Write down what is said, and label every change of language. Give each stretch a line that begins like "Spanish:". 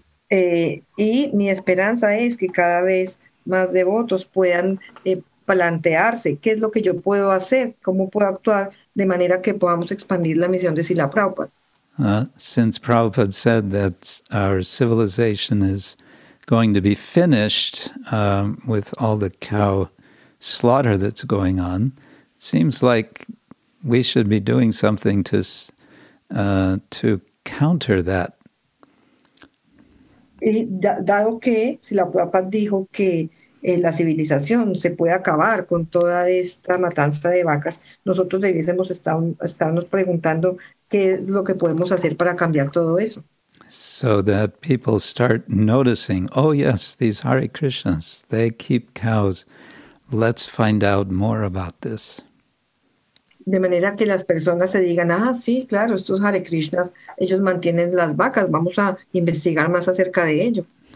Spanish: Y mi esperanza es que cada vez más devotos puedan plantearse qué es lo que yo puedo hacer, cómo puedo actuar de manera que podamos expandir la misión de Srila Prabhupada.
English: Since Prabhupada said that our civilization is going to be finished with all the cow slaughter that's going on, it seems like we should be doing something to counter that.
Spanish: Y dado que Srila Prabhupada dijo que la civilización se puede acabar con toda esta matanza de vacas, nosotros debiésemos estarnos preguntando qué es lo que podemos hacer para cambiar todo eso.
English: So that people start noticing, oh yes, these Hare Krishnas, they keep cows. Let's find out more about this.
Spanish: De manera que las personas se digan, ah, sí, claro, estos Hare Krishnas, ellos mantienen las vacas, vamos a investigar más acerca de ello.